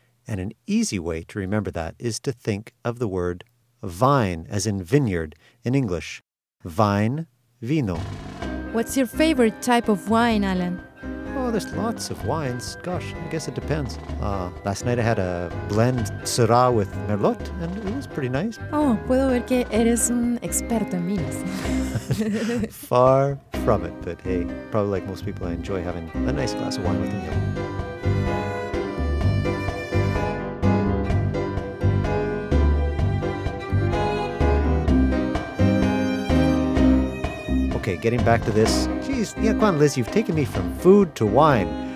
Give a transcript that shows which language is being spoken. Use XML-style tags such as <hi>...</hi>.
<en>And an easy way to remember that is to think of the word vine, as in vineyard, in English. Vine, vino. What's your favorite type of wine, Alan? Oh, there's lots of wines. Gosh, I guess it depends. Last night I had a blend Syrah with Merlot, and it was pretty nice.</en> <es>Oh, puedo ver que eres un experto en vinos.</es> <en>Far from it, but hey, probably like most people, I enjoy having a nice glass of wine with a meal. Okay, getting back to this. Jeez, Niaquan, Liz, you've taken me from food to wine.</en>